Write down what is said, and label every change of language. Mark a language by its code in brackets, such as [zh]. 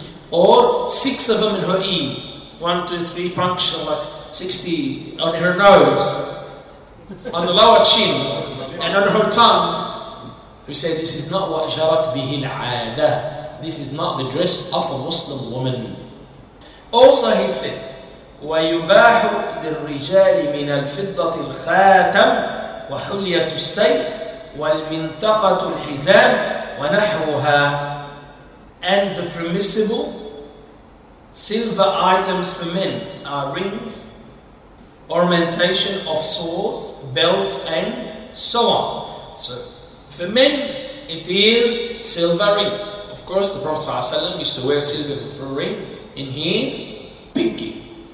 [en] Or 6 of them in her ear. 1, 2, 3 punctures, like 60 on her nose. On the lower chin. And on her tongue. We say this is not what [ar] جَرَتْ بِهِ الْعَادَةِ. [en] This is not the dress of a Muslim woman. Also he said, [ar] وَيُبَاحُ لِلرِّجَالِ مِنَ الْفِضَّةِ الْخَاتَمِ وَحُلْيَةُ السَّيْفِ وَالْمِنْتَقَةُ الْحِزَامِ وَنَحْوُهَا. [en] And the permissible silver items for men are rings, ornamentation of swords, belts, and so on. So for men, it is silver ring. Of course, the Prophet ﷺ used to wear silver for a ring in his pinky.